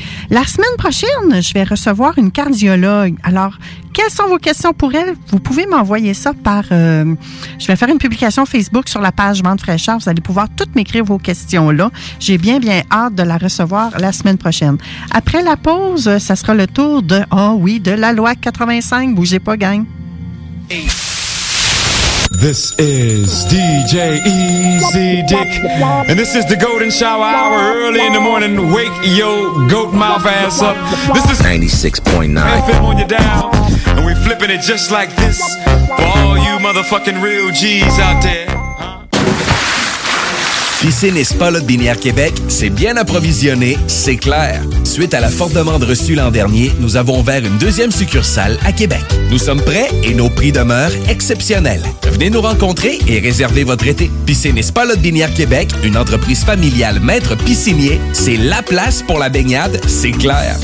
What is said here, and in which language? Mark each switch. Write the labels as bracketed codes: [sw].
[fr] La semaine prochaine, je vais recevoir une cardiologue. Alors, quelles sont vos questions pour elle? Vous pouvez m'envoyer ça par... je vais faire une publication Facebook sur la page Vente fraîcheur. Vous allez pouvoir toutes m'écrire vos questions là. J'ai bien, bien hâte de la recevoir la semaine prochaine. Après la pause, ça sera le tour de... Oh oui, de la loi 85. Bougez pas, gang! [en] This is DJ Easy Dick, and this is the Golden Shower Hour, early in the morning, wake your goat mouth ass up. This is 96.9 FM on your dial, and we flipping it just like this, for all you motherfucking real G's out there. [fr] Piscine et Spa Lotte Binière Québec, c'est bien approvisionné, c'est clair. Suite à la forte demande reçue l'an dernier, nous avons ouvert une deuxième succursale à Québec. Nous sommes prêts et nos prix demeurent exceptionnels. Venez nous rencontrer et réservez votre été. Piscine et Spa Lotte Binière Québec, une entreprise familiale maître piscinier, c'est la place pour la baignade, c'est clair.